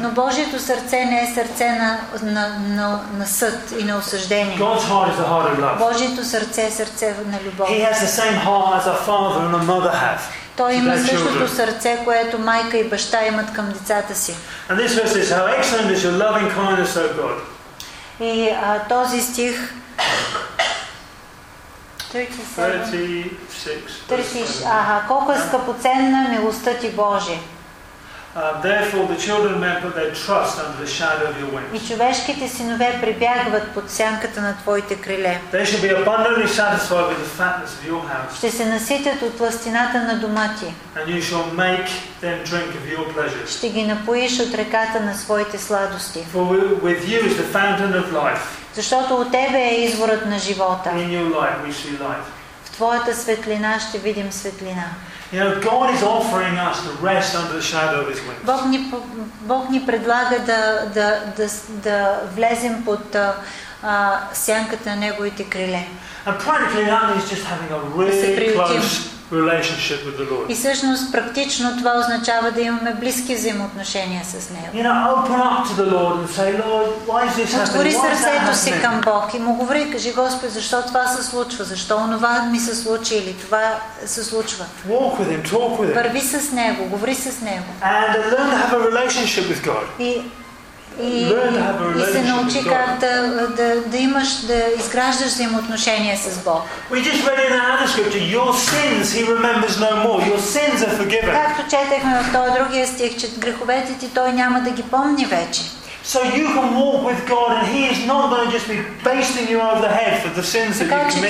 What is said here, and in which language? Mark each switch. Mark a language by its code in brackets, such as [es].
[bg] Но Божието сърце не е сърце на съд и на осъждение. [en] God's heart is a heart of love. [bg] Божието сърце е сърце на любов. [en] He has the same heart as a father and a mother have. [bg] Той има същото сърце, което майка и баща имат към децата си. [en] And this verse says, how excellent is your loving kindness, O God. [bg] И този стих 36. Колко е скъпоценна милостта ти, Боже. [en] Therefore the children men put their trust under the shadow of your wings. [bg] И човешките синове прибягват под сянката на твоите криле. [en] They shall be abundantly satisfied with the fatness of your house. [bg] Ще се наситят от пластината на дома ти. [en] And you shall make them drink of your pleasures. [bg] Ще ги напоиш от реката на своите сладости. [en] For with you is the fountain of life. [bg] Защото от тебе е изворът на живота. [en] In your light we see life. [bg] В твоята светлина ще видим светлина. [en] You know, God is offering us to rest under the shadow of His wings. [bg] Бог ни предлага да влезем под сянката на Неговите криле. [en] And practically that means just having a really close relationship with the Lord. [bg] И всъщност практично това означава да имаме близки взаимоотношения с Него. [en] You know, open up to the Lord and say, Lord, why is this happening? [bg] Отвори сърцето си към Бог и му говори, кажи, Господи, защо това се случва? Защо онова ми се случи или това се случва? [en] Walk with Him, talk with Him. [bg] Върви с Него, говори с Него. [en] And learn to have a relationship with God. [bg] И се научи как да имаш, да изграждаш взаимоотношения с Бог. [en] We just read in another scripture, your sins He remembers no more. Your sins are forgiven. [bg] Както четехме в този другия стих, че греховете ти Той няма да ги помни вече. [en] So you can walk with God and He is not going to just be basting you over the head for the sins that you've committed.